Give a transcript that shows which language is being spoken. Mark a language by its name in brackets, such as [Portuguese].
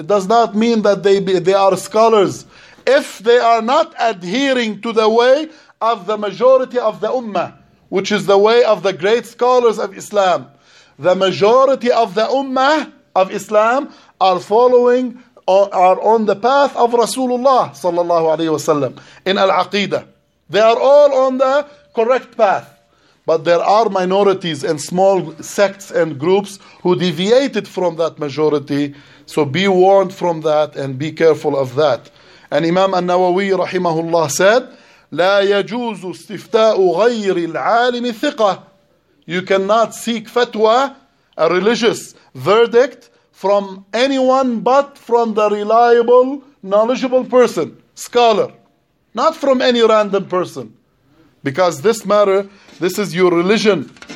[English] It does not mean that they are scholars. If they are not adhering to the way of the majority of the ummah, which is the way of the great scholars of Islam, the majority of the ummah of Islam are following or are on the path of Rasulullah sallallahu alayhi wasallam in al-aqidah. They are all on the correct path. But there are minorities and small sects and groups who deviated from that majority. So be warned from that and be careful of that. And Imam an-Nawawi rahimahullah said, [Arabic] لا يجوز استفتاء غير العالم ثقة. [English] You cannot seek fatwa, a religious verdict, from anyone but from the reliable, knowledgeable person, scholar. Not from any random person. Because this matter, this is your religion.